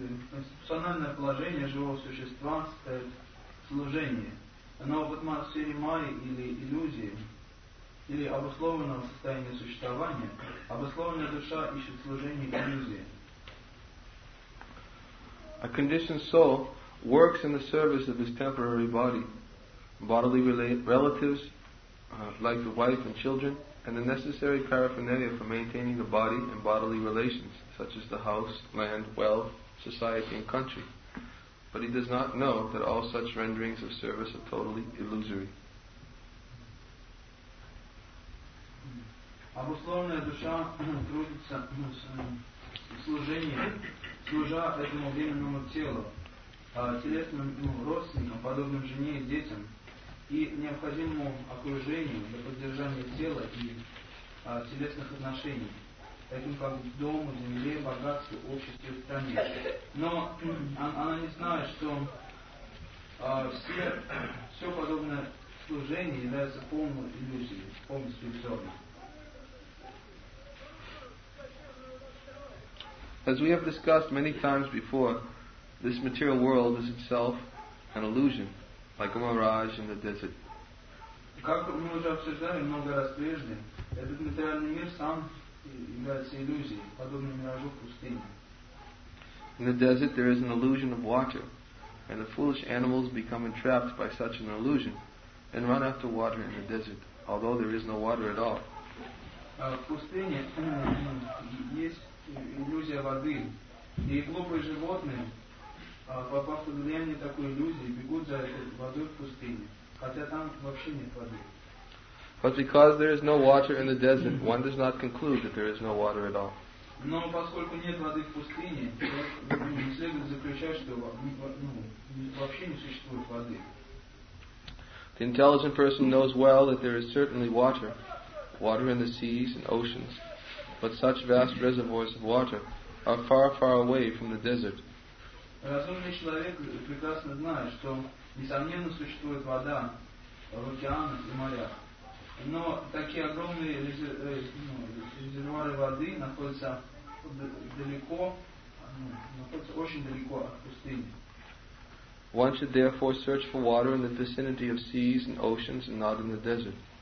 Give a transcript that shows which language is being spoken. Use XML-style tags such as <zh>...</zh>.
<ru>Конституциональное положение живого существа состоит в служении, но в атмосфере майи или иллюзии, или обусловленного состояния существования, обусловленная душа ищет служение иллюзии.</ru> <en>A conditioned soul works in the service of his temporary body, bodily relatives, like the wife and children, and the necessary paraphernalia for maintaining the body and bodily relations, such as the house, land, wealth, society, and country. But he does not know that all such renderings of service are totally illusory.</en> <ru>Обусловленная душа трудится в служении, служа этому временному телу, телесным родственникам, подобным жене и детям, и необходимому окружению для поддержания тела и телесных отношений, таким как дому, земле, богатству, обществе, стране. Но она не знает, что все подобное служение является полной иллюзией, полностью иллюзией.</ru> <en>As we have discussed many times before, this material world is itself an illusion, like a mirage in the desert.</en> <ru>Как мы уже обсуждали много раз прежде, этот материальный мир сам является иллюзией, подобно миражу в пустыне.</ru> <en>In the desert there is an illusion of water, and the foolish animals become entrapped by such an illusion and run after water in the desert, although there is no water at all.</en> <ru>В пустыне есть иллюзия воды, и глупые животные, попав под влияние такой иллюзии, бегут за водой в пустыне, хотя там вообще нет воды.</ru> <en>But because there is no water in the desert, one does not conclude that there is no water at all.</en> <ru>Но поскольку нет воды в пустыне, не следует заключать, что вообще не существует воды.</ru> <en>The intelligent person knows well that there is certainly water, water in the seas and oceans, but such vast reservoirs of water are far, far away from the desert.</en> <ru>Разумный человек прекрасно знает, что, несомненно, существует вода в океанах и морях. Но такие огромные резервуары воды находятся далеко, находятся очень далеко от пустыни.</ru> <en>One should therefore search for water in the vicinity of seas and oceans and not in the desert.</en>